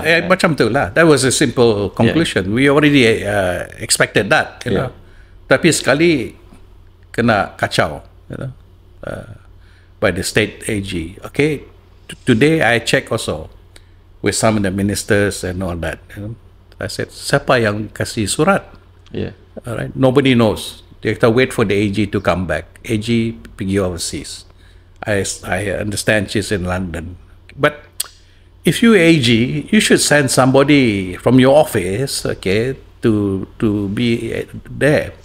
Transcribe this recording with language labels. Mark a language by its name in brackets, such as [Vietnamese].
[English] Eh, yeah. [Malay] Macam itulah. [English] That was a simple conclusion. Yeah. We already expected that. You know. [Malay] Tapi sekali kena kacau. [English] You know. By the state AG. Okay. Today I check also with some of the ministers and all that. You know. I said, [Malay] siapa yang kasih surat? [English] Yeah. All right. Nobody knows. They have to wait for the AG to come back. AG pergi overseas. I understand she's in London. But if you AG, you should send somebody from your office, okay, to be there.